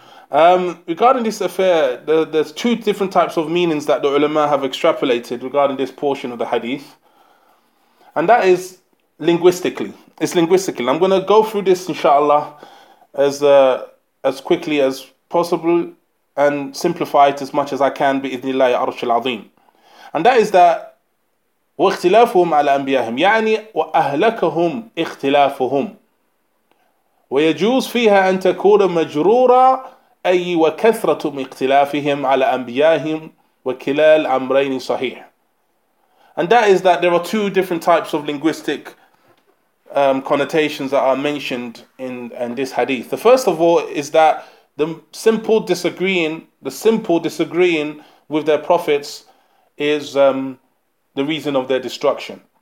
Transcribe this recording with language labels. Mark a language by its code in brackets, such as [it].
[en] Regarding this affair, there's two different types of meanings that the ulama have extrapolated regarding this portion of the hadith. And that is linguistically. It's linguistically. I'm going to go through this, inshallah, as quickly as possible and simplify it as much as I can, bi-idhnillahi arshil azim. And that is that, [ar] واختلافهم على أنبيائهم يعني وأهلكهم اختلافهم ويجوز فيها أن تكون مجرورة أي وكثرة اختلافهم على أنبيائهم وكلا الأمرين صحيح. [en] And that is that there are two different types of linguistic connotations that are mentioned in this hadith. The first of all is that the simple disagreeing with their prophets is the reason of their destruction.